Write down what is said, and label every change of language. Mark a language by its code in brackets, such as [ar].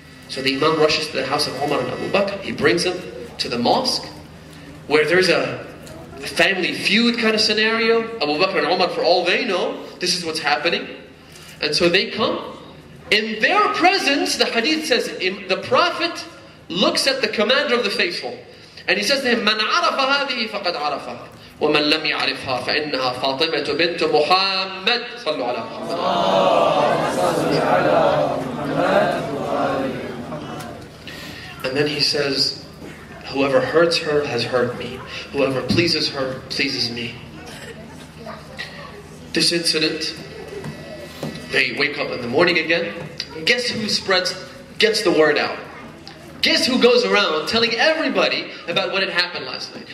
[en] So the Imam rushes to the house of Umar and Abu Bakr, he brings them to the mosque, where there's a family feud kind of scenario. Abu Bakr and Umar, for all they know, this is what's happening. And so they come. In their presence, the hadith says, the Prophet looks at the commander of the faithful. [ar] And he says to him, مَنْ عَرَفَ هَذِهِ فَقَدْ عَرَفَ وَمَنْ لَمْ يَعْرِفْهَا فَإِنَّهَا فَاطِمَةُ بِنْتُ مُحَمَّدٍ صَلُّ عَلَى مُحَمَّدٍ. [en] And then he says, whoever hurts her has hurt me. Whoever pleases her pleases me. This incident, they wake up in the morning again. Guess who gets the word out? Guess who goes around telling everybody about what had happened last night?